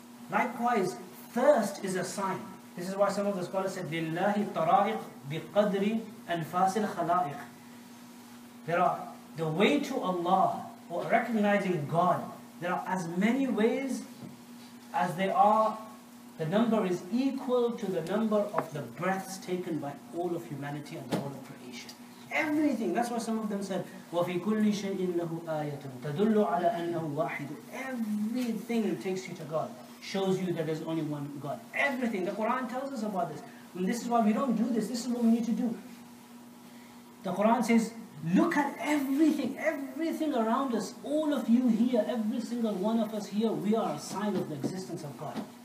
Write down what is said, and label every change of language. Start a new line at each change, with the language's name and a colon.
English: Likewise, thirst is a sign. This is why some of the scholars said,
Arabic: لِلَّهِ تَرَائِقْ بِقَدْرِ أَنْفَاسِ الْخَلَائِقِ.
English: There are the way to Allah, or recognizing God, there are as many ways as there are, the number is equal to the number of the breaths taken by all of humanity and the whole of creation. Everything, that's why some of them said,
Arabic: وَفِي كُلِّ شَيْءٍ لَهُ آيَةٌ تَدُلُّ عَلَىٰ أَنَّهُ وَاحِدٌ.
English: Everything takes you to God, shows you that there's only one God. Everything, the Quran tells us about this. And this is why we don't do this, this is what we need to do. The Quran says, look at everything around us, all of you here, every single one of us here, we are a sign of the existence of God.